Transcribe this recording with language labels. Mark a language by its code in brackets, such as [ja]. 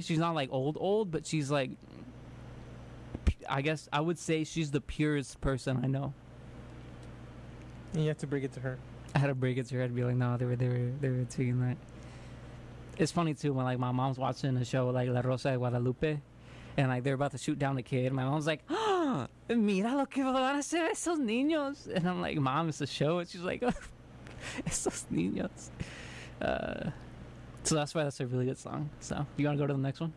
[en] She's not like old, but she's like, I guess I would say she's the purest person I know. And you have to break it to her. I had to break it to her. I'd be like, no, they were taking that. It's funny too, when like my mom's watching a show like La Rosa de Guadalupe and like they're about to shoot down the kid. My mom's like, [es] mira lo que van a hacer esos niños. [en] And I'm like, mom, it's a show. And she's like, [es] esos niños. [en] So that's why that's a really good song. So you want to go to the next one?